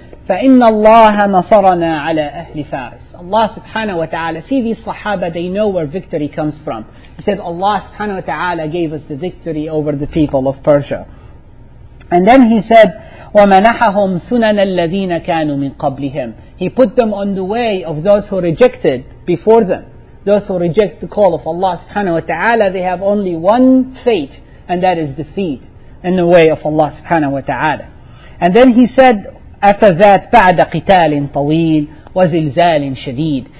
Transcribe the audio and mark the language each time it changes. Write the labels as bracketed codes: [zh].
[ar] فإن الله نصرنا على أهل فارس. [en] الله سبحانه وتعالى, see these Sahaba, they know where victory comes from. He said Allah سبحانه وتعالى gave us the victory over the people of Persia. And then he said, [ar] وَمَنَحَهُمْ سُنَنَ الَّذِينَ كَانُوا مِنْ قَبْلِهِمْ. [en] He put them on the way of those who rejected before them. Those who reject the call of Allah subhanahu wa ta'ala, they have only one fate, and that is defeat in the way of Allah subhanahu wa ta'ala. And then he said, after that, [ar] بَعْدَ قِتَالٍ طَوِيلٍ وَزِلْزَالٍ شَدِيدٍ.